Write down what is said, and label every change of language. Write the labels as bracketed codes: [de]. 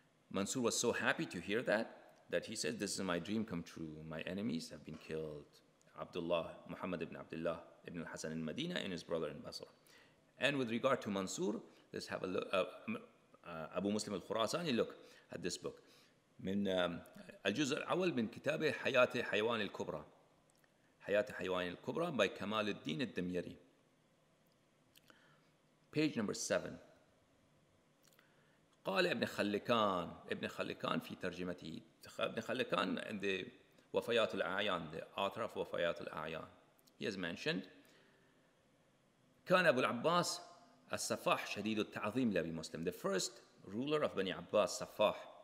[en] Mansur was so happy to hear that he said, this is my dream come true. My enemies have been killed. Abdullah, Muhammad ibn Abdullah ibn al-Hasan in Medina and his brother in Basra. And with regard to Mansur, let's have a look. Abu Muslim al-Khurasani, look at this book. [ar] من الجزء الأول من كتابه حياة حيوان الكبرى. حياة حيوان الكبرى by كمال الدين الدميري. [en] Page number 7. [ar] قال ابن خلكان في ترجمته. [en] ابن خلكان in the وفيات الأعيان, the author of وفيات الأعيان. He has mentioned, [ar] كان أبو العباس السفاح شديد التعظيم لأبي مسلم. [en] The first ruler of Bani Abbas, Safah.